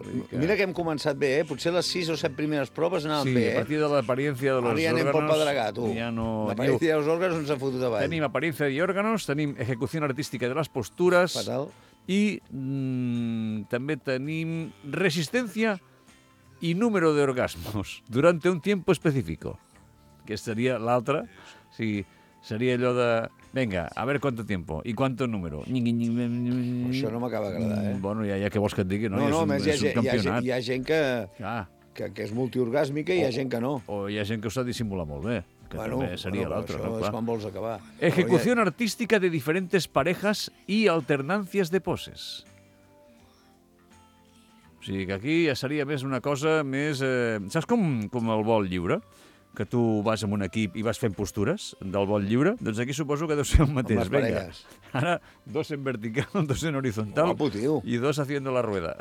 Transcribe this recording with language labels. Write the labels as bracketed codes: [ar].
[ca] Mira que hem començat bé, eh? Potser les sis o set primeres proves anaven sí, bé, sí, a partir de l'apariència de los órganos... Ara ja anem pel pedregar, tu. Ja no... L'apariència de [es] los órganos [ca] ens ha fotut avall. Tenim apariència i órganos, tenim execució artística de les postures... Fatal. I també tenim resistència... [es] Y número de orgasmos durante un tiempo específico. Que sería la otra. Sí, sería lo de... Venga, a ver cuánto tiempo y cuánto número. [ca] Això no m'acaba d'agradar, eh? Bueno, ja que vols que et digui, no? No, no, és un campionat. Hi ha gent que és multiorgàsmica i hi ha gent que no. O hi ha gent que ho sap dissimular molt bé. Que bueno, també seria l'altre, no? Això és quan vols acabar. [es] Ejecución artística de diferentes parejas y alternancias de poses. [ca] O sigui, que aquí ja seria més una cosa més... saps com el vol lliure? Que tu vas amb un equip i vas fent postures del vol lliure? Doncs aquí suposo que deu ser el mateix. Amb les parelles. Ara, dos en vertical, dos en horizontal. Guapo, tio. [es] I dos haciendo la rueda.